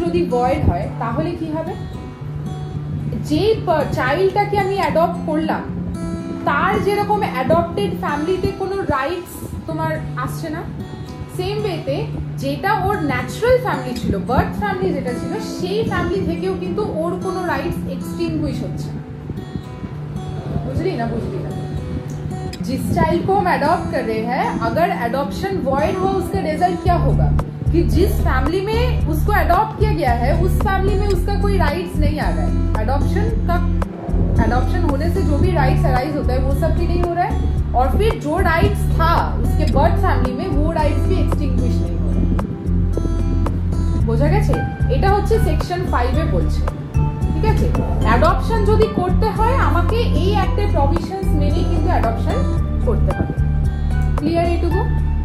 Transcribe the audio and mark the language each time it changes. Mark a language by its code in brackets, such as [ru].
[bn] যদি ভয়েড হয় তাহলে কি হবে, যে চাইল্ডটাকে আমি অ্যাডপ্ট করলাম তার যেরকম অ্যাডপ্টেড ফ্যামিলিতে কোনো রাইটস তোমার আসছে না, সেম ওয়েতে যেটা ওর ন্যাচারাল ফ্যামিলি ছিল, বার্থ ফ্যামিলি যেটা ছিল, সেই ফ্যামিলি থেকেও কিন্তু ওর কোনো রাইটস এক্সটিংগুইশ হচ্ছে না। বুঝলি না বুঝলি না? [hi] जिस चाइल्ड को हम अडॉप्ट कर रहे हैं, अगर अडॉप्शन वॉइड हुआ उसका रिजल्ट क्या होगा, कि जिस फैमिली में उसको अडॉप्ट किया गया है उस फैमिली में उसका कोई राइट्स नहीं आ रहा है। अडॉप्शन का, अडॉप्शन होने से जो भी राइट्स अराइज होता है वो सब भी नहीं हो रहा है, और फिर जो राइट्स था उसके बर्थ फैमिली में वो राइट्स भी एक्सटिंग्विश नहीं हो रहा है। बुझा गया छे? [bn] एटा होच्छे सेक्शन 5 में बोलछे। অ্যাডপশন যদি করতে হয় আমাকে এই অ্যাক্টের প্রভিশনস মেনে কিন্তু অ্যাডপশন করতে হবে। ক্লিয়ার এটুকু?